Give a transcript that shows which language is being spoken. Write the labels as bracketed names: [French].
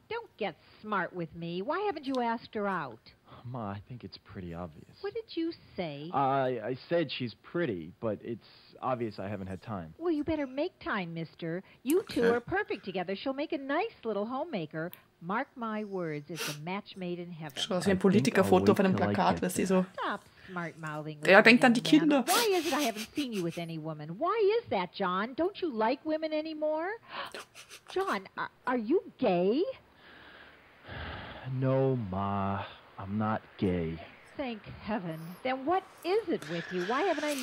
[English] Don't get smart with me. Why haven't you asked her out? Ma, I think it's pretty obvious. What did you say? I said she's pretty, but it's obvious I haven't had time. Well, you better make time, mister. You two are perfect together. She'll make a nice little homemaker. Mark my words, it's a match made in heaven. [German] Schau, wie ein Politikerfoto auf einem Plakat, was sie so. [English] Stop smart mouthing. [German] Ja, denkt an die Kinder. [English] Why is it I haven't seen you with any woman? Why is that, John? Don't you like women anymore? John, are you gay? No, Ma. I'm not gay. Thank heaven. Then what is it with you? Why haven't I met